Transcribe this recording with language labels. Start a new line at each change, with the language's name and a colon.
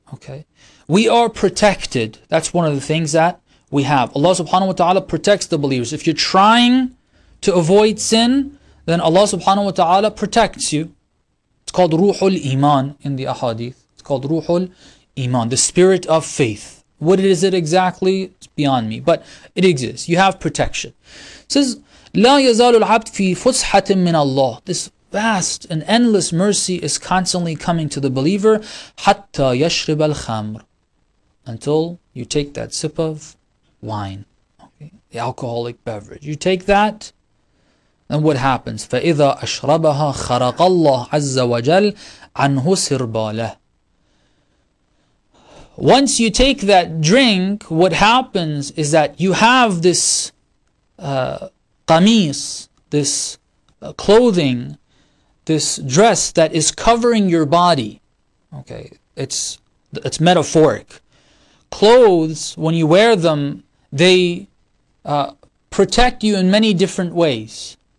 English: Okay, we are protected. That's one of the things that we have. Allah subhanahu wa ta'ala protects the believers. If you're trying to avoid sin, then Allah subhanahu wa ta'ala protects you. It's called Ruhul Iman in the Ahadith. It's called Ruhul Iman, the spirit of faith. What is it exactly? It's beyond me, but it exists. You have protection. It says,
Arabic: لا يزال العبد في فسحة من الله.
English: This vast and endless mercy is constantly coming to the believer,
Arabic: حتى يشرب الخمر,
English: until you take that sip of wine, okay, the alcoholic beverage. You take that, then what happens?
Arabic: فإذا أشربها خرق الله عز وجل عنه سرباله.
English: Once you take that drink, what happens is that you have this qamis, this clothing, this dress that is covering your body. Okay, it's metaphoric. Clothes, when you wear them, they protect you in many different ways.